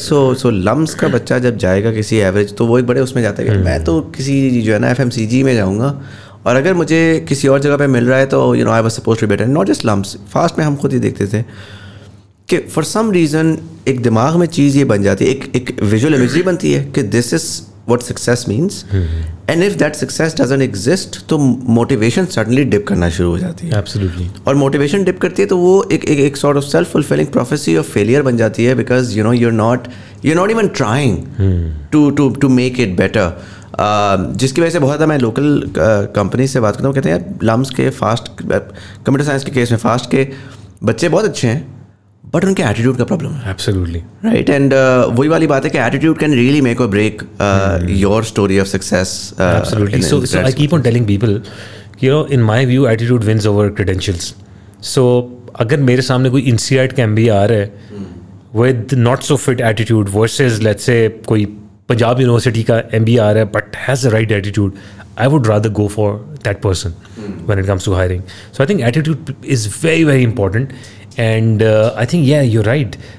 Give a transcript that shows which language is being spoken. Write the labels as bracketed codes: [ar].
[ur] سو لمس کا بچہ جب جائے گا کسی ایوریج تو وہ ایک بڑے اس میں جاتا ہے کہ میں تو کسی جو ہے نا ایف ایم سی جی میں جاؤں گا, اور اگر مجھے کسی اور جگہ پہ مل رہا ہے تو [en] You know I was supposed to be better. Not just limbs, [ur] فاسٹ میں ہم خود ہی دیکھتے تھے کہ فار سم ریزن ایک دماغ میں چیز یہ بن جاتی ہے, ایک ویژول امیجری بنتی ہے کہ [en] This is what success means. And if that success doesn't exist, تو motivation suddenly dip [ur] کرنا شروع ہو جاتی ہے. [en] Absolutely. اور motivation dip [ur] کرتی ہے تو وہ ایک [en] sort of self-fulfilling prophecy of failure [ur] بن جاتی ہے, [en] because you know you're not even trying to make it better. [ur] جس کی وجہ سے بہت زیادہ میں لوکل کمپنیز سے بات کرتا ہوں, کہتے ہیں یار لمس کے فاسٹ کمپیوٹر سائنس کے کیس میں فاسٹ کے بچے بہت اچھے ہیں بٹ ان کے ایٹیٹیوڈ کا پرابلم ہے. [en] Absolutely right. [ur] اینڈ وہی والی بات ہے کہ [en] Attitude can really make or break your story of success. Absolutely. So I keep on telling people you know in my view attitude wins over credentials. [ur] سو اگر میرے سامنے کوئی انسیئرڈ کا ایم بی اے آ رہا ہے [en] with not so fit attitude versus let's say [ur] koi Punjab University ka MBA aa raha hai [en] but has the right attitude, I would rather go for that person when it comes to hiring. So I think attitude is very, very important. And I think, yeah, you're right.